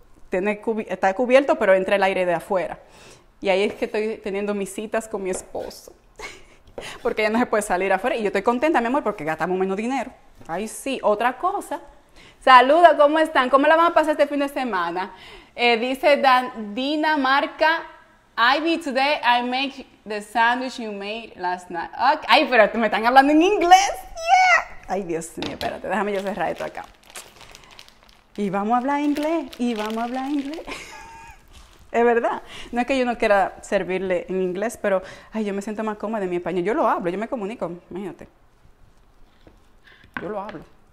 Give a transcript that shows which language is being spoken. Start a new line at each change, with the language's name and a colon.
Spanish: Está cubierto, pero entra el aire de afuera. Y ahí es que estoy teniendo mis citas con mi esposo. Porque ya no se puede salir afuera. Y yo estoy contenta, mi amor, porque gastamos menos dinero. Ay, sí, otra cosa. Saludos, ¿cómo están? ¿Cómo la van a pasar este fin de semana? Dice
English: Dinamarca, Ivy, today I make the sandwich you made last night. Okay.
Spanish: Ay, pero me están hablando en inglés. Yeah. Ay, Dios mío, espérate, déjame yo cerrar esto acá. Y vamos a hablar inglés. Y vamos a hablar inglés. Es verdad, no es que yo no quiera servirle en inglés, pero ay, yo me siento más cómoda en mi español. Yo lo hablo, yo me comunico, imagínate. Yo lo hablo.